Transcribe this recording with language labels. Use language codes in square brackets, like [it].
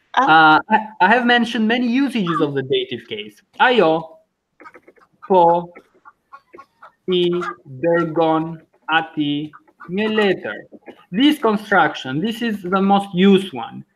[en] I have mentioned many usages of the dative case. [sq] Ajo, po, I, dërgon, ati, një letër. [en] This construction, this is the most used one.